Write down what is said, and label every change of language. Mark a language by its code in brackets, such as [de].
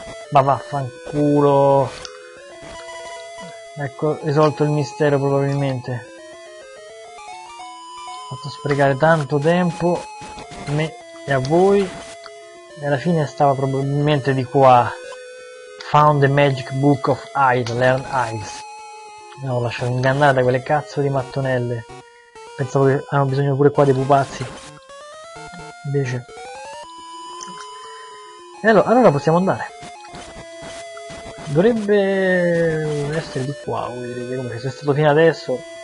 [it] Ma vaffanculo! Ecco, risolto il mistero probabilmente. Ho fatto sprecare tanto tempo a me e a voi. E alla fine stava probabilmente di qua. [en] Found the magic book of ice, learn ice. [it] No, ho lasciato ingannare da quelle cazzo di mattonelle. Pensavo che avevano bisogno pure qua dei pupazzi. Invece. E allora possiamo andare. Dovrebbe essere di qua, vuol dire che se è stato fino adesso.